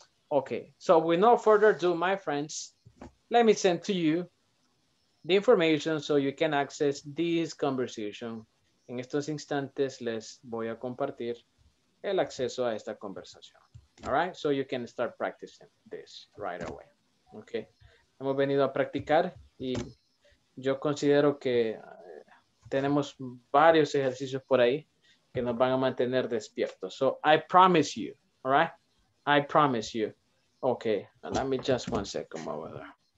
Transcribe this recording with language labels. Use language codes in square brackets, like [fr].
[en] Okay, so with no further ado, my friends, let me send to you the information so you can access this conversation. [es] En estos instantes, les voy a compartir el acceso a esta conversación. [en] All right, so you can start practicing this right away. [es] Okay, hemos venido a practicar y yo considero que tenemos varios ejercicios por ahí que nos van a mantener despiertos. [en] So I promise you, all right, I promise you. Okay, let me just one second over there.